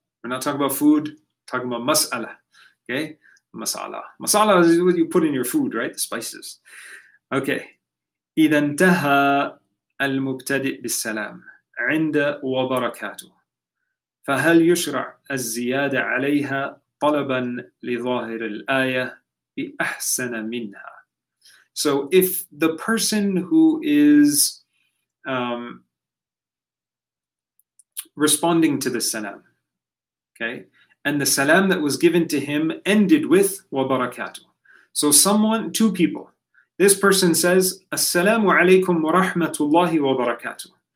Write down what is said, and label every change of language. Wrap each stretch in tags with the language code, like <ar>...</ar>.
<en>We're not talking about food. We're talking about mas'ala. Okay? Mas'ala. Mas'ala is what you put in your food, right? The spices. Okay.</en> <ar>إذا انتهى المبتدئ بالسلام عند وبركاته فهل يشرع الزيادة عليها طلبا لظاهر الآية بأحسن منها.</ar> <en>So if the person who is responding to the salam, okay, and the salam that was given to him ended with وبركاته, so someone, two people, this person says, assalamu alaykum wa rahmatullahi wa barakatuh.</en>